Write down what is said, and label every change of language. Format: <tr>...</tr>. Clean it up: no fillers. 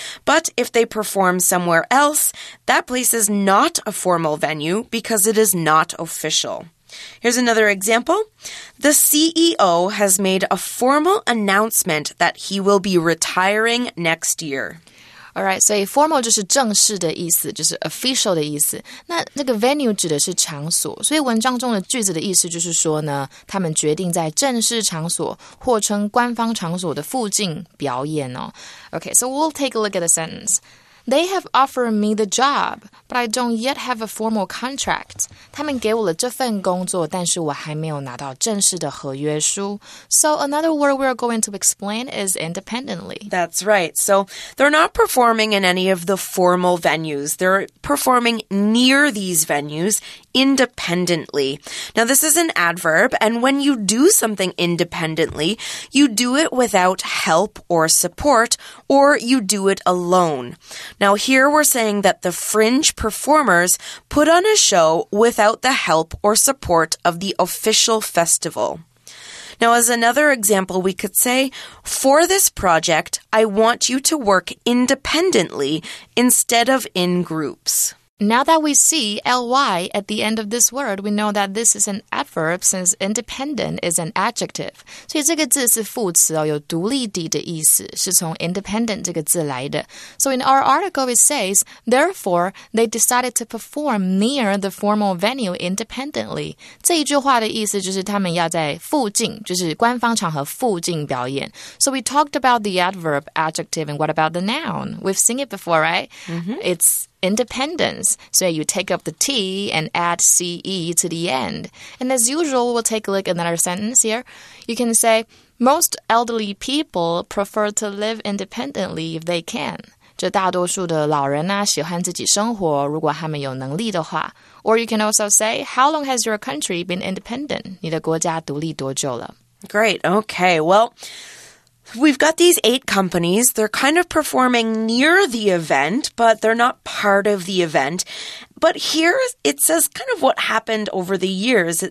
<en>But if they perform somewhere else, that place is not a formal venue because it is not official. Here's another example. The CEO has made a formal announcement that he will be retiring next year. All right, so formal</en> <zh>就是正式的意思，就是 official 的意思。那这个 venue 指的是场所，所以文章中的句子的意思就是说呢，他们决定在正式场所或称官方场所的附近表演哦。</zh> <en>Okay, so we'll take a look at the sentence. They have offered me the job, but I don't yet have a formal contract.</en> <zh>他们给我了这份工作，但是我还没有拿到正式的合约书。</zh> <en>So another word we're going to explain is independently. That's right. So they're not performing in any of the formal venues. They're performing near these venues independently. Now this is an adverb, and when you do something independently, you do it without help or support, or you do it alone. Now, here we're saying that the fringe performers put on a show without the help or support of the official festival. Now, as another example, we could say, for this project, I want you to work independently instead of in groups. Now that we see ly at the end of this word, we know that this is an adverb since independent is an adjective.</en> <zh>所以这个字是副词哦，有独立的的意思，是从 independent 这个字来的。</zh> <en>So in our article, it says, therefore, they decided to perform near the formal venue independently.</en> <zh>这一句话的意思就是他们要在附近，就是官方场合附近表演。</zh> <en>So we talked about the adverb, adjective, and what about the noun? We've seen it before, right? Mm-hmm. It'sIndependence. So you take up the T and add CE to the end. And as usual, we'll take a look at another sentence here. You can say, most elderly people prefer to live independently if they can.</en> <zh>就大多数的老人啊，喜欢自己生活，如果他们有能力的话。</zh> <en>Or you can also say, how long has your country been independent?</en> <zh>你的国家独立多久了？</zh> <en>Great. Okay. Well,We've got these eight companies. They're kind of performing near the event, but they're not part of the event. But here it says kind of what happened over the years.</en>